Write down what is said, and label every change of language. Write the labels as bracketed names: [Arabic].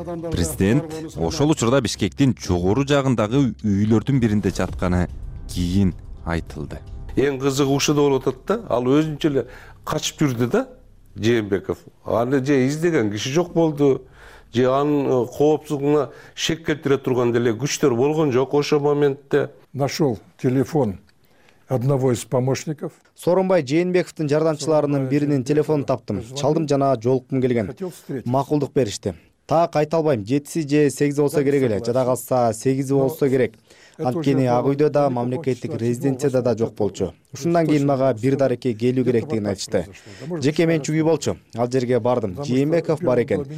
[Kyrgyz] Президент ошол учурда Бишкектин жогору жагындагы үйлөрдүн биринде жатканы кийин айтылды. Эң кызыгы ушу да болуп атат да, ал өзүнчө эле качып жүрдү да. Жээнбеков аны же издеген киши жок болду, же анын коопсуздугуна шек келтире турган деле күчтөр болгон жок ошо моментте. [Russian] Нашел телефон одного из помощников. [Kyrgyz] Сооронбай Жээнбековдун жардамчыларынын биринин телефонун таптым, чалдым жана жолуккум келген. Макулдук беришти. Так айта албайм, 7 же 8 болсо керек эле, жада калса 8 болсо керек. Анткени ак үйдө да мамлекеттик резиденцияда да жок болчу. Ушундан кийин мага бир дареке келүү керектигин айтышты. Жеке менчик үй болчу. Ал жерге бардым. Жээнбеков бар экен.